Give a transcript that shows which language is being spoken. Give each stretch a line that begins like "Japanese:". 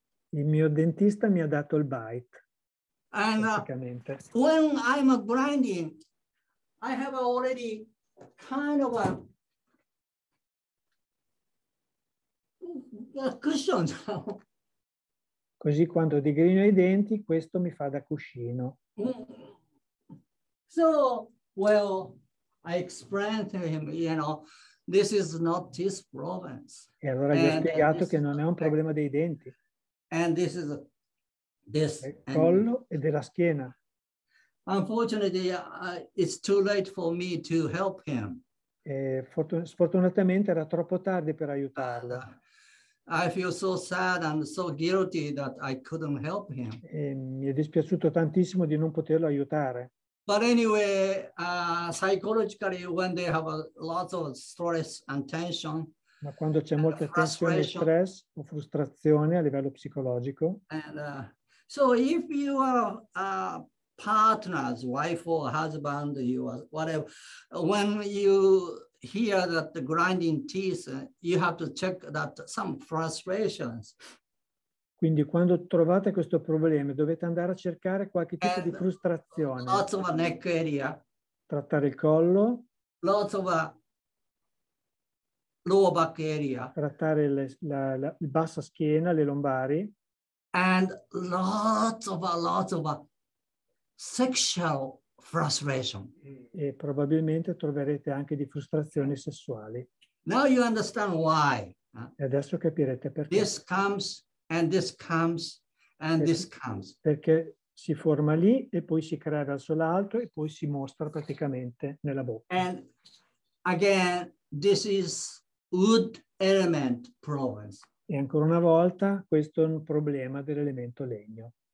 Italian: Il mio dentista mi ha dato il bite.
English: And
Italian: praticamente.
English: When I'm grinding, I have already kind of a cushion.
Italian: Così quando digrigno i denti, questo mi fa da cuscino.
English: So, well, I explained to him, you know, this is not his province.
Italian: E allora gli ho spiegato che non è un problema dei denti.
English: And this is this.
Italian: Del collo e della schiena.
English: Unfortunately, it's too late for me to help him.
Italian: E sfortunatamente era troppo tardi per aiutarlo.
English: I feel so sad and so guilty that I couldn't help him.
Italian: E mi è dispiaciuto tantissimo di non poterlo aiutare.
English: But anyway, psychologically, when they have lots of stress and tension.
Italian: Ma quando c'è molta tensione e stress o frustrazione a livello psicologico.
English: And, so if you are partners, wife or husband, you are whatever, when you hear that the grinding teeth, you have to check that some frustrations.
Italian: Quindi quando trovate questo problema dovete andare a cercare qualche tipo di frustrazione.
English: Lots of neck area.
Italian: Trattare il collo.
English: Lots of lower back area.
Italian: Trattare la bassa schiena, le lombari.
English: And lots of sexual frustration.
Italian: E probabilmente troverete anche di frustrazioni sessuali.
English: Now you understand why.
Italian: E adesso capirete perché.
English: This comes and this comes and this comes.
Italian: Perché si forma lì e poi si crea verso l'alto e poi si mostra praticamente nella bocca.
English: And again, this is wood element problems.
Italian: E ancora una volta, questo è un problema dell'elemento legno.